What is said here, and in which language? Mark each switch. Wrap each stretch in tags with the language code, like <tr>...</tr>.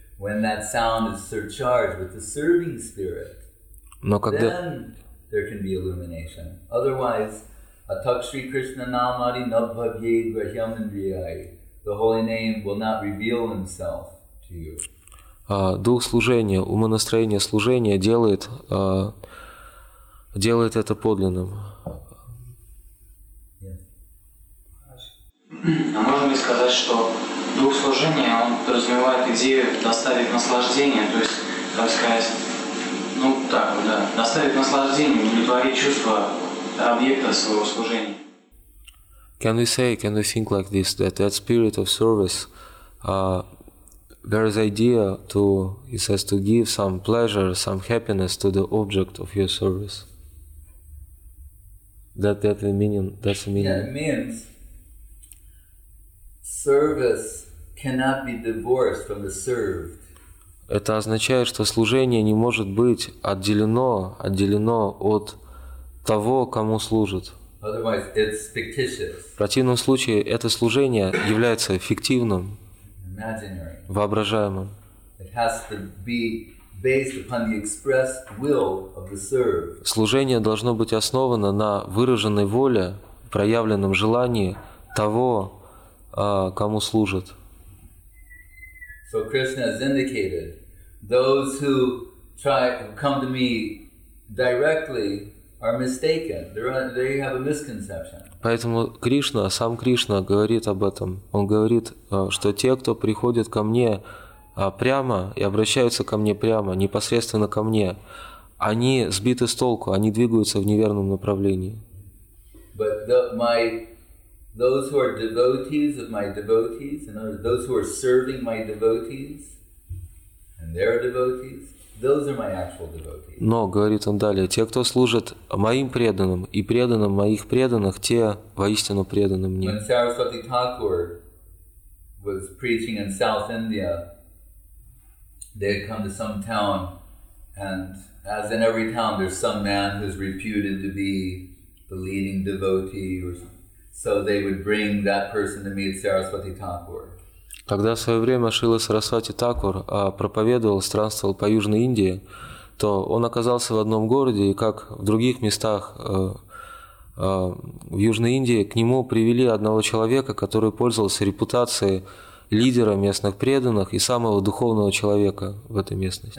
<en>When that sound is surcharged with the serving spirit, then there can be illumination.</en> <sa>Otherwise, atak shri krishna namari nabhavye grahyam indriyai.</sa> <en>The holy name will not reveal himself to you.</en> <ru>Дух служения, умонастроение служения делает это подлинным. А можно ли сказать, что дух служения, он подразумевает идею доставить наслаждение, то есть, как сказать, ну так вот, да, доставить наслаждение, удовлетворить чувство объекта своего служения.</ru> <en>Can we say, can we think like this, that spirit of service, there is idea to, he says, to give some pleasure, some happiness to the object of your service? That the meaning, that's the meaning. Yeah, it means service cannot be divorced from the served.</en> <ru>Это означает, что служение не может быть отделено от того, кому служит.</ru> <en>Otherwise, it's fictitious.</en> <ru>В противном случае это служение является фиктивным,</ru> <en>imaginary,</en> <ru>воображаемым.</ru> <en>It has to be based upon the expressed will of the served.</en> <ru>Служение должно быть основано на выраженной воле, проявленном желании того, кому служит.</ru> <en>So Krishna has indicated those who try come to me directly are mistaken. They have a misconception.</en> <ru>Поэтому сам Кришна говорит об этом. Он говорит, что те, кто приходит ко мне прямо и обращаются ко мне прямо, непосредственно ко мне, они сбиты с толку, они двигаются в неверном направлении.</ru> <en>But those who are devotees of my devotees, and those who are serving my devotees, and their devotees, those are my actual devotees.</en> <ru>Но, говорит он далее, те, кто служит моим преданным и преданным моих преданных, те воистину преданы мне.</ru> <en>When Saraswati Thakur was preaching in South India, they had come to some town, and as in every town, there's some man who's reputed to be the leading devotee or something. So they would bring that person to meet Saraswati Thakur.</en> <ru>Когда в свое время Шрила Сарасвати Такур проповедовал, странствовал по Южной Индии, то он оказался в одном городе, и как в других местах в Южной Индии, к нему привели одного человека, который пользовался репутацией лидера местных преданных и самого духовного человека в этой местности.</ru>